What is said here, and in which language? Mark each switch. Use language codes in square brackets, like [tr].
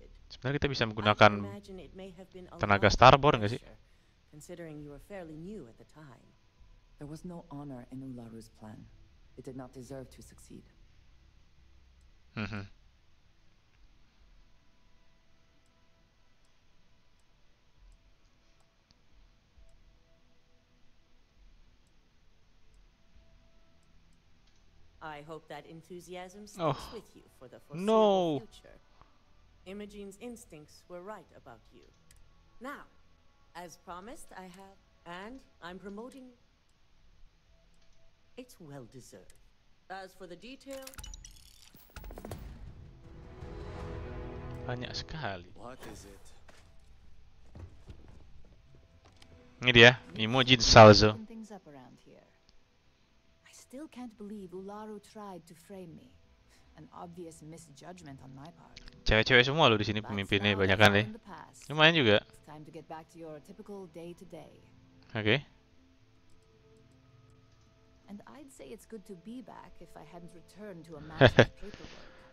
[id] Sebenarnya kita bisa menggunakan tenaga starborn enggak sih? [en] Considering you were fairly new at the time. There was no honor in Ularu's plan. It did not deserve to succeed. I hope that enthusiasm sticks with you for the foreseeable future. Imogene's instincts were right about you. Now, as promised, I have, and I'm promoting. It's well deserved. As for the detail, [id] banyak sekali. [en] What is it? [id] Ini dia, Imogene Salzo. [en] I still can't believe Ularu tried to frame me. An obvious misjudgment on my part. [id] Cewek-cewek semua lo di sini pemimpinnya banyak kan deh. Lumayan juga. [en] Time to get back to your typical day to day. Okay. And I'd say it's good to be back if I hadn't returned to a massive paperwork.